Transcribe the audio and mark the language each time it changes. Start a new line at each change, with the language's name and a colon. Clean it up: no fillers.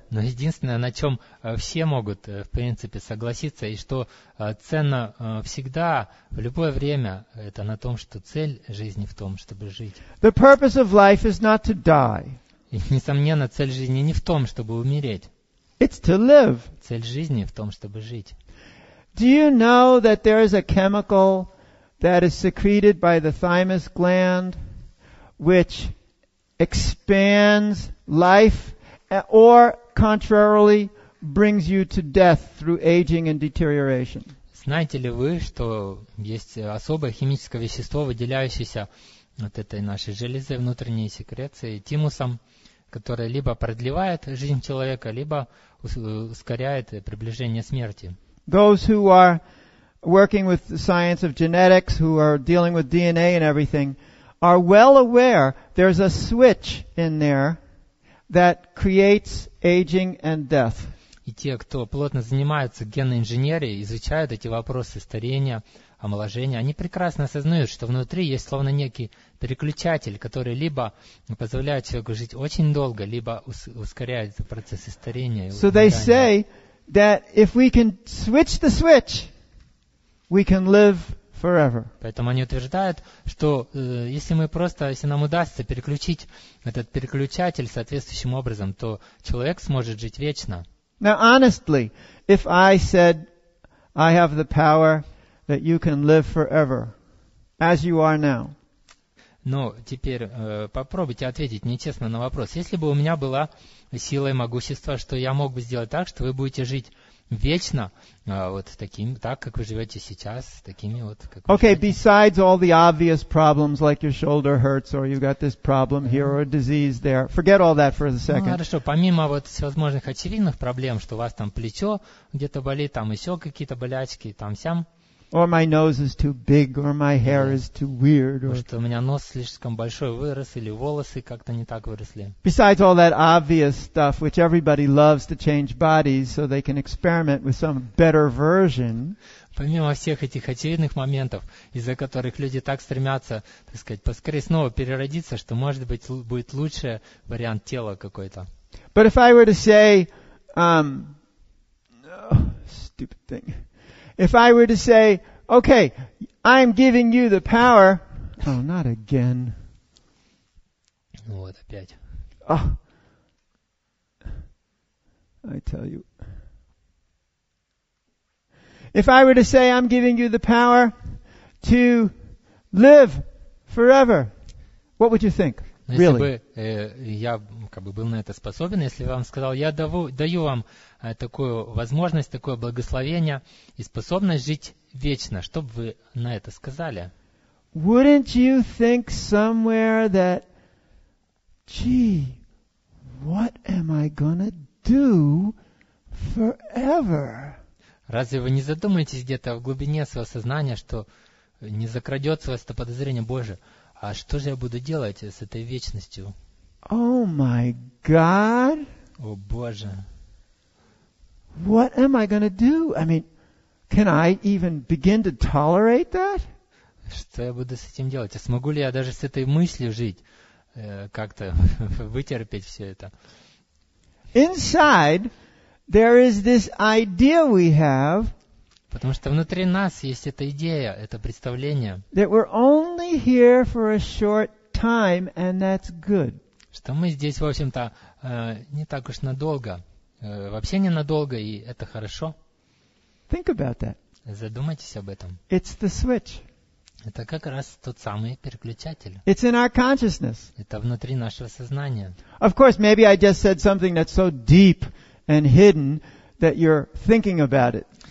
Russian: Но единственное, на чем все могут, в принципе, согласиться, и что ценно всегда, в любое время, это на том, что цель жизни в том, чтобы жить.
English: The purpose of life is not to die.
Russian: И, несомненно, цель жизни не в том, чтобы умереть.
English: It's to live.
Russian: Цель жизни в том, чтобы жить.
English: Do you know that there is a chemical that is secreted by the thymus gland, which expands life, or contrarily, brings you to death through aging and deterioration.
Russian: Знаете ли вы, что есть особое химическое вещество, выделяющееся от этой нашей железы внутренней секреции тимусом, которое либо продлевает жизнь человека, либо ускоряет приближение смерти.
English: Those who are working with the science of genetics, who are dealing with DNA and everything, are well aware there's a switch in there that creates aging and death.
Russian: и те, кто плотно занимаются генной инженерией, изучают эти вопросы старения, омоложения, они прекрасно осознают, что внутри есть словно некий переключатель, который либо позволяет человеку жить очень долго, либо ускоряет процессы старения.
English: So they say that if we can switch the switch, we can live forever.
Russian: Поэтому они утверждают, что если нам удастся переключить этот переключатель соответствующим образом, то человек сможет жить вечно.
English: Now, honestly, if I said I have the power that you can live forever as you are now.
Russian: Но теперь попробуйте ответить нечестно на вопрос. Если бы у меня была сила и могущество, что я мог бы сделать так, что вы будете жить вечно, вот таким, так, как вы живете сейчас, такими вот, как вы Okay, живете.
English: Besides all the obvious problems, like your shoulder hurts, or you've got this problem here, or a disease there, forget all that for a second.
Russian: Ну, хорошо, помимо вот всевозможных очевидных проблем, что у вас там плечо где-то болит, там еще какие-то болячки, там сям.
English: Or my nose is too big, or my hair is too weird.
Russian: Потому что у меня нос слишком большой вырос, или волосы как-то не так выросли.
English: Besides all that obvious stuff, which everybody loves to change bodies so they can experiment with some better version.
Russian: Помимо всех этих очевидных моментов, из-за которых люди так стремятся, так сказать, поскорее снова переродиться, что может быть будет лучше вариант тела какой-то.
English: But if I were to say, stupid thing. If I were to say, okay, I'm giving you the power. Oh, not again.
Russian: Вот опять.
English: Oh, I tell you. If I were to say, I'm giving you the power to live forever, what would you think? Really?
Russian: Если бы я как бы был на это способен, если бы я вам сказал, я даю вам такую возможность, такое благословение и способность жить вечно, что бы вы на это сказали?
English: Wouldn't you think somewhere that, gee, what am I gonna do forever?
Russian: Разве вы не задумаетесь где-то в глубине своего сознания, что не закрадется у вас это подозрение, Боже? А что же я буду делать с этой вечностью?
English: Oh my God!
Russian: О Боже!
English: What am I gonna do? I mean, can I even begin to tolerate that?
Russian: Что я буду с этим делать? А смогу ли я даже с этой мыслью жить, как-то вытерпеть все это?
English: Inside, there is this idea we have.
Russian: Потому что внутри нас есть эта идея, это представление.
English: That we're only here for a short time, and that's good.
Russian: Что мы здесь, в общем-то, не так уж надолго. Вообще ненадолго, и это хорошо.
English: Think about that.
Russian: Задумайтесь об этом.
English: It's the switch.
Russian: Это как раз тот самый переключатель.
English: It's in our consciousness.
Russian: Это внутри нашего сознания.
English: Of course, maybe I just said something that's so deep and hidden that you're thinking about it.